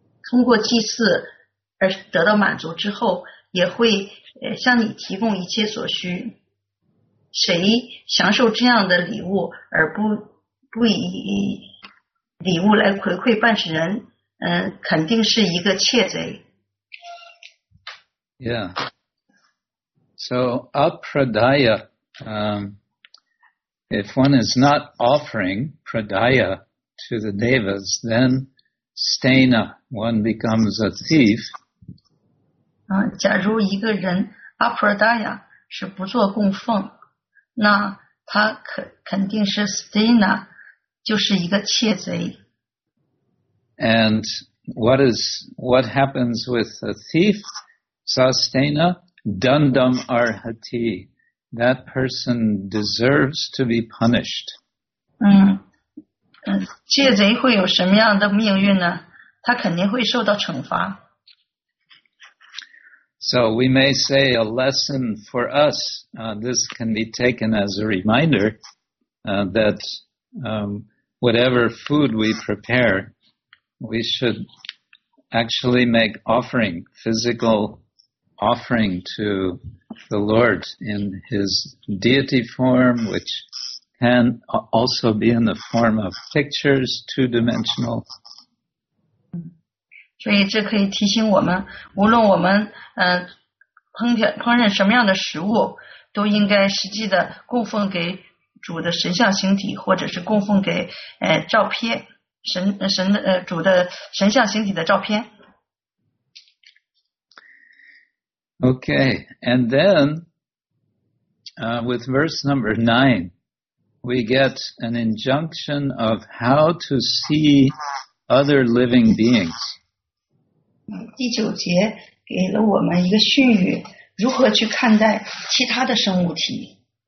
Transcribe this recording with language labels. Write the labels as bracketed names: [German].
[Chinese] 通过祭祀而得到满足之后，也会向你提供一切所需。谁享受这样的礼物而不以礼物来回馈办事人，肯定是一个窃贼。 [English] Yeah. So, apradaya, if one is not offering pradaya to the devas, then stena, one becomes a thief. [Chinese] 假如一个人 apradaya 是不做供奉，那他肯定是 stena, 就是一个窃贼。 [English] And what happens with a thief? [Sanskrit] Sastena dandam arhati. [English] That person deserves to be punished. [Chinese] 窃贼会有什么样的命运呢？他肯定会受到惩罚。 [English] So we may say a lesson for us. This can be taken as a reminder that whatever food we prepare, we should actually make offering, physical offering to the Lord in his deity form, which can also be in the form of pictures, two-dimensional. [Chinese] 所以这可以提醒我们，无论我们烹饪什么样的食物，都应该实际的供奉给主的神像形体，或者是供奉给照片，主的神像形体的照片。 [English] Okay, and then with verse number 9, we get an injunction of how to see other living beings. [Chinese] 第九节给了我们一个训语，如何去看待其他的生物体。